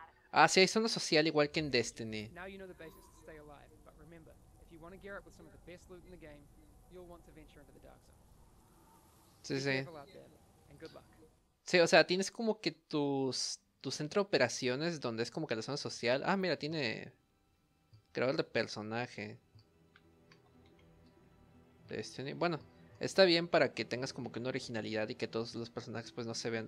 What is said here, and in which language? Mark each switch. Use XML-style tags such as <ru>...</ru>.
<es>Ah, sí, hay zona social igual que en Destiny.</es> <en>Now you know the basics to stay alive, but remember, if you want to gear up with some of the best loot in the game, you'll want to venture into the dark zone.</en> <es>Sí. Sí, o sea, tienes como que tu centro de operaciones donde es como que la zona social. Ah, mira, tiene creador de personaje. Destiny. Bueno, está bien para que tengas como que una originalidad y que todos los personajes pues no se vean.</es>